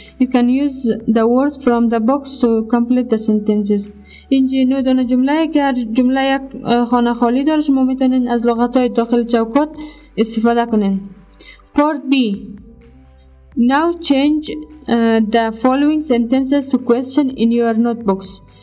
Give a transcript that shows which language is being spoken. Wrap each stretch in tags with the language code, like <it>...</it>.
<en>You can use the words from the box to complete the sentences.</en> <fa>اینجا 9 دونه جمله است که هر جمله یک خانه خالی داره، شما میتونین از لغت های داخل چوکات استفاده کنین.</fa> <en>Part B. Now change the following sentences to question in your notebooks.</en>